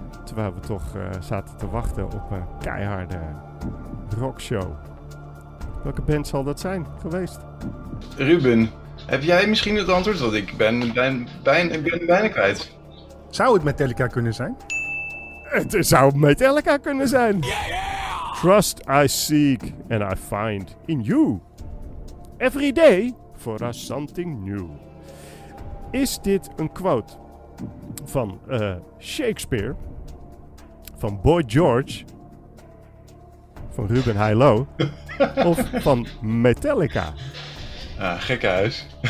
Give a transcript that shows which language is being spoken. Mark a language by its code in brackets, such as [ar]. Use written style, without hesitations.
[nl] Terwijl we toch zaten te wachten op een keiharde rockshow. Welke band zal dat zijn geweest? Ruben, heb jij misschien het antwoord? Want ik ben bijna kwijt. Zou het Metallica kunnen zijn? Het zou Metallica kunnen zijn. [en] Yeah! Trust I seek and I find in you. Every day for us something new. [nl] Is dit een quote van Shakespeare, van Boy George, van Ruben Heilo of van Metallica? Ah, gekkenhuis.